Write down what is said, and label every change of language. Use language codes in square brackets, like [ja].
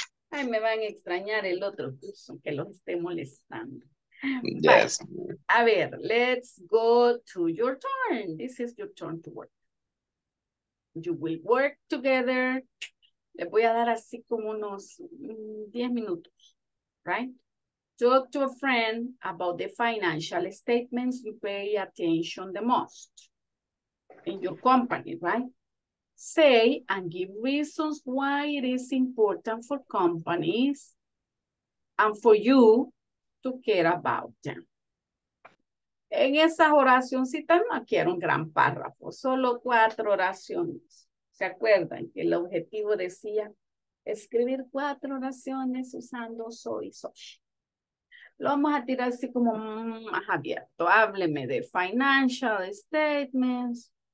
[es] Ay, me van a extrañar el otro curso, que los esté molestando. [en] Yes. [es] A ver, [en] let's go to your turn. This is your turn to work. You will work together. [es] Les voy a dar así como unos 10 minutos, [en] right? Talk to a friend about the financial statements you pay attention the most in your company, right? Say and give reasons why it is important for companies and for you to care about them. [es] En esas oracioncitas no quiero un gran párrafo, solo 4 oraciones. ¿Se acuerdan que el objetivo decía escribir 4 oraciones usando soy soy? Lo vamos a tirar así como más abierto. Hábleme de financial statements.